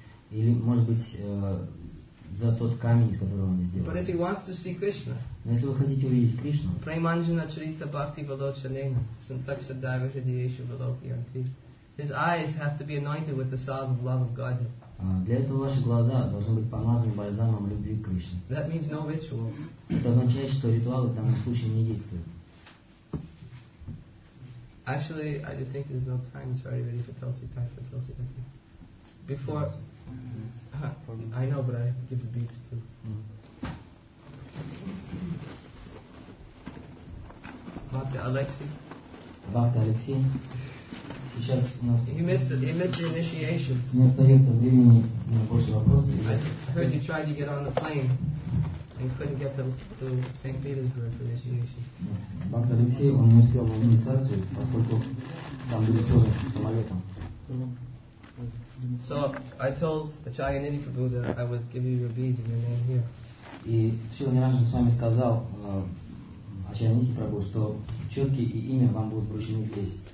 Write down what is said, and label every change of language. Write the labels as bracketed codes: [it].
[ru] Или, может быть, за тот камень, из которого они сделаны. [en] Krishna, [ru] но если вы хотите увидеть Кришну, [sa] Преманджана чарита бхакти валочанена сантакша дайвиша диешу валокьянти. [en] His eyes have to be anointed with the salve of love of Godhead. [ru] Для этого ваши глаза должны быть помазаны бальзамом любви к Кришне. [en] That means no rituals. [ru] Это означает, что ритуалы в данном случае не действуют. [en] Actually, I think there's no time. It's already ready for Tulsi time. For Tulsi, thank you. Before, I know, but I have to give the beats too. Bhakti Alexei. [ru] Bhakti Alexei. Сейчас у нас [en] he missed the initiations. [ru] Не остается времени на больше вопросов. [en] I heard you tried to get on the plane and couldn't get to St. Petersburg for initiation. [ru] Бакт Алексей, он не успел на инициацию, поскольку там были сложности с самолетом. [en] So I told Acharya Nidhi Prabhu that I would give you your beads and your name here. [ru] И Шрила Ниранджан Свами сказал Ачарья Нидхи Прабху, что четки и имя вам будут вручены здесь.